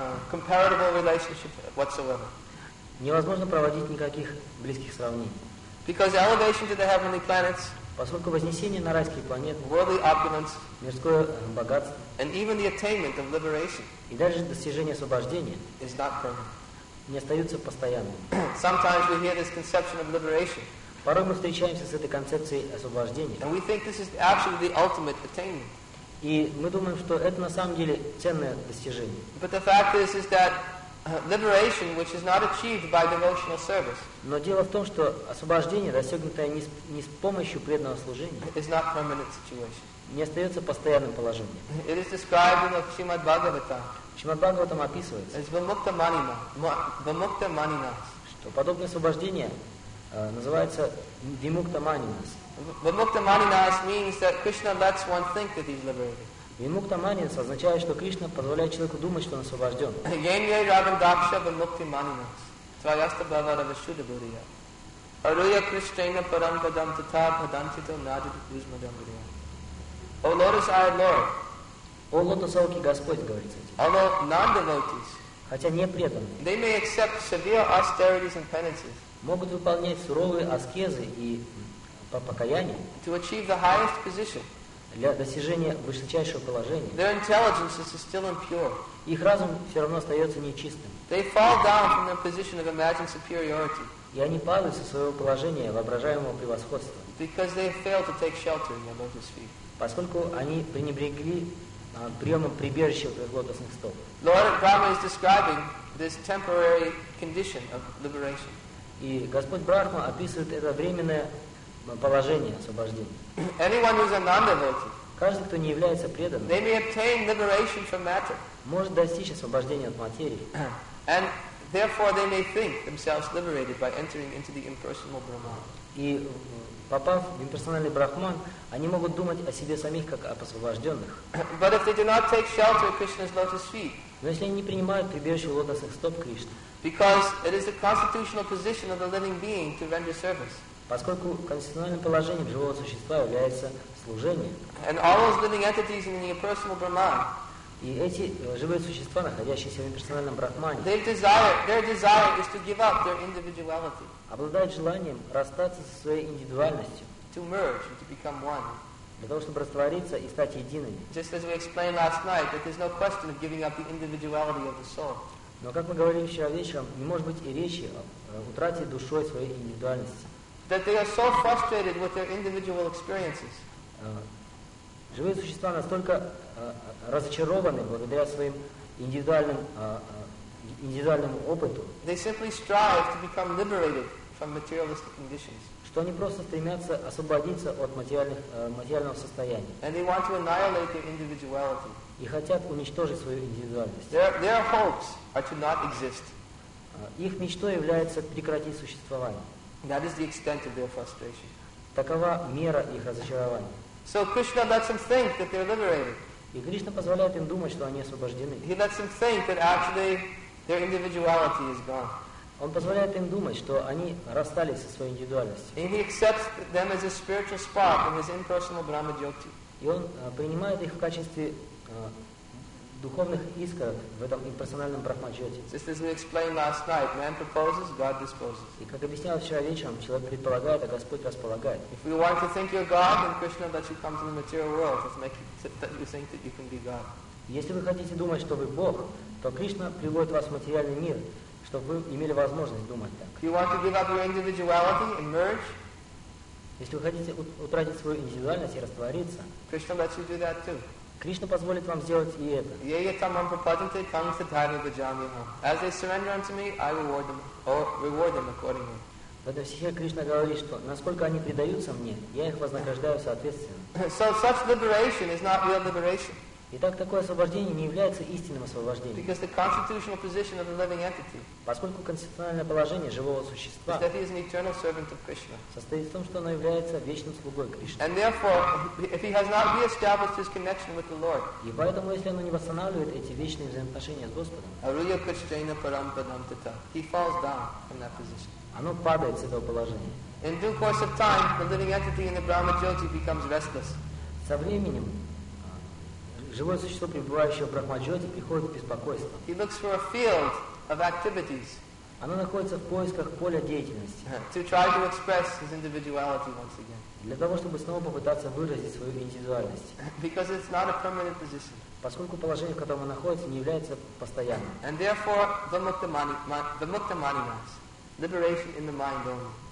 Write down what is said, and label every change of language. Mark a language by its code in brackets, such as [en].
[en] Comparable relationship whatsoever. [ru] Невозможно проводить никаких близких сравнений. [en] Because elevation to the heavenly planets, [ru] поскольку вознесение на райские планеты, [en] worldly opulence, [ru] мирское богатство, [en] and even the attainment of liberation, [ru] и даже достижение освобождения, [en] is not permanent. [ru] Не остаются постоянными. [en] Sometimes we hear this conception of liberation. [ru] Порой мы встречаемся с этой концепцией освобождения. [en] And we think this is actually the ultimate attainment. [ru] И мы думаем, что это на самом деле ценное достижение. [en] But the fact is that liberation, which is not achieved by devotional service, [ru] но дело в том, что освобождение, достигнутое не с помощью преданного служения, [en] is not permanent situation. [ru] Не остается постоянным положением. [en] It is described in the Srimad Bhagavatam. [ru] Шримад Бхагаватам описывается, [en] as vimukta manina, vimukta maninas, [ru] что подобное освобождение называется vimukta maninas. [en] Vimukta maninas means that Krishna lets one think that he's liberated. [ru] Vimukta maninas означает, что Кришна позволяет человеку думать, что он освобожден. [sa] Yenye ragam daksha vimukti maninas, tvayasta bhavara vishuddha buriya. Aruya krishtena param padam tatha padantito nadit vizmadam buriya. [en] O Lotus Eye Lord, [ru] о лотосовки Господь, говорится. [en] Although non-devotees, [ru] хотя не преданные, [en] they may accept severe austerities and penances, [ru] могут выполнять суровые аскезы и покаяния, [en] to achieve the highest position, [ru] для достижения высочайшего положения, [en] their intelligence is still impure, [ru] их разум все равно остается нечистым, [en] they fall down from their position of imagined superiority, [ru] и они падают со своего положения воображаемого превосходства, [en] because they failed to take shelter in their lotus feet, [ru] поскольку они пренебрегли приемом прибежища в лотосных стоп. [en] Lord Brahma is describing this temporary condition of liberation. [ru] И Господь Брахма описывает это временное положение освобождения. [en] Anyone who is a non-devotee, [ru] каждый, кто не является преданным, [en] they may obtain liberation from matter, [ru] может достичь освобождения от материи. [en] And therefore they may think themselves liberated by entering into the impersonal Brahman. [ru] И попав в имперсональный брахман, они могут думать о себе самих как о освобожденных. [en] But if they do not take shelter at Krishna's lotus feet, [ru] но если они не принимают прибежище в лотосных стоп Кришны, [en] because it is the constitutional position of the living being to render service, [ru] поскольку конституциональным положением живого существа является служение, [en] and all those living entities in the impersonal Brahman, [ru] и эти живые существа, находящиеся в имперсональном брахмане, [en] their desire is to give up their individuality, [ru] обладают желанием расстаться со своей индивидуальностью, [en] to merge and to become one, [ru] для того, чтобы раствориться и стать едиными. [en] Just as we explained last night, that there's no question of giving up the individuality of the soul. [ru] Но, как мы говорили вчера вечером, не может быть и речи о утрате душой своей индивидуальности. [en] That they are so frustrated with their individual experiences. [ru] Живые существа настолько разочарованы благодаря своим индивидуальному опыту, [en] they simply strive to become liberated from materialistic conditions, [ru] что они просто стремятся освободиться от материального состояния, [en] and they want to annihilate their individuality, [ru] и хотят уничтожить свою индивидуальность. [en] Their hopes are to not exist. [ru] Их мечтой является прекратить существование. [en] That is the extent of their frustration. [ru] Такова мера их разочарования. [en] So Krishna lets them think that they're liberated. [ru] И Кришна позволяет им думать, что они освобождены. [en] He lets them think that actually their individuality is gone. [ru] Он позволяет им думать, что они расстались со своей индивидуальностью. [en] And he accepts them as a spiritual spark in his impersonal Brahma Jyoti. [ru] И он принимает их в качестве духовных искр в этом имперсональном Брахма Джоти. [en] Just as we explained last night, man proposes, God disposes. [ru] И как объяснял вчера вечером, человек предполагает, а Господь располагает. [en] If we want to think you're God, then Krishna lets you come to the material world to make you think that you can be God. [ru] Если вы хотите думать, что вы Бог, то Кришна приводит вас в материальный мир, чтобы вы имели возможность думать так. [en] You want to give up your individuality and merge? [ru] Если вы хотите утратить свою индивидуальность и раствориться, [en] Krishna lets you do that too. [ru] Кришна позволит вам сделать и это. Поэтому Сихир Кришна говорит, что насколько они предаются мне, я их вознаграждаю соответственно. [en] So such liberation is not real liberation. [ru] Итак, такое освобождение не является истинным освобождением. [en] Because the constitutional position of the living entity, [ru] поскольку конституциональное положение живого существа, [en] is that he is an eternal servant of Krishna. [ru] Состоит в том, что оно является вечным слугой Кришны. [en] And therefore, if he has not re-established his connection with the Lord, [ru] и поэтому, если оно не восстанавливает эти вечные взаимоотношения с Господом, [sa] Arulya Krishna Param Padam Tata, [en] he falls down from that position. [ru] Оно падает с этого положения. [en] In due course of time, the living entity in the Brahma Jyoti becomes restless. [ru] Со временем живое существо, пребывающее в Брахмаджоте, приходит в беспокойство. [en] He looks for a field of activities. [ru] Оно находится в поисках поля деятельности. [en] To try to express his individuality once again. [ru] Для того, чтобы снова попытаться выразить свою индивидуальность. [en] Because it's not a permanent position. [ru] Поскольку положение, в котором оно находится, не является постоянным. [en] And therefore, the Mukta Maninas, liberation in the mind only.